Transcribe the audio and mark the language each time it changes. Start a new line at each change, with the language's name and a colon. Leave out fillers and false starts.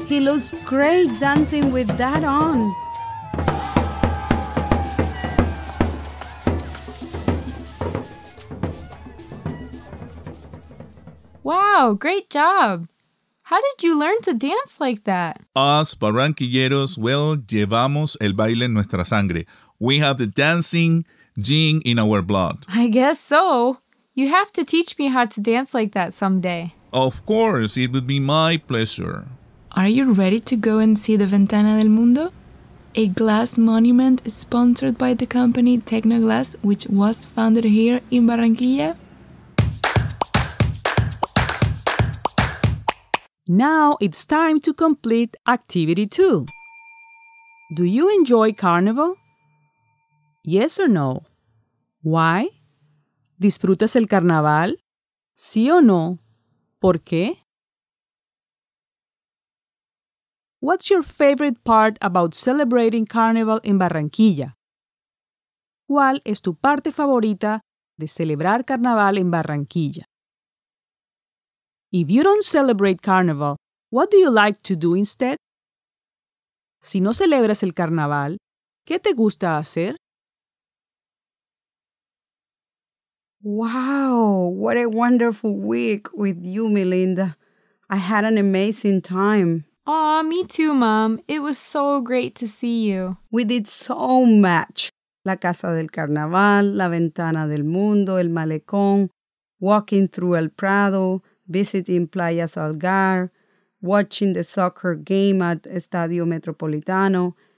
English: He looks great dancing with that on. Wow, great job! How did you learn to dance like that? Us
Spanish: barranquilleros,
English: well,
Spanish: llevamos el baile en nuestra sangre.
English: We have the dancing gene in our blood. I guess so. You have to teach me how to dance like that someday. Of course, it would be my pleasure. Are you ready to go and see the Ventana del Mundo? A glass monument sponsored by the company Tecnoglass, which was founded here in Barranquilla? Now it's time to complete Activity 2. Do you enjoy Carnival? Yes or no? Why?
Spanish: ¿Disfrutas el Carnaval? ¿Sí o no? ¿Por qué?
English: What's your favorite part about celebrating Carnival in Barranquilla?
Spanish: ¿Cuál es tu parte favorita de celebrar Carnaval en Barranquilla?
English: If you don't celebrate Carnival, what do you like to do instead?
Spanish: Si no celebras el Carnaval, ¿qué te gusta hacer?
English: Wow, what a wonderful week with you, Melinda. I had an amazing time. Aw, me too, Mom. It was so great to see you. We did so much. La Casa del Carnaval, La Ventana del Mundo, El Malecón, Walking Through El Prado, Visiting Playa Salgar, Watching the Soccer Game at Estadio Metropolitano.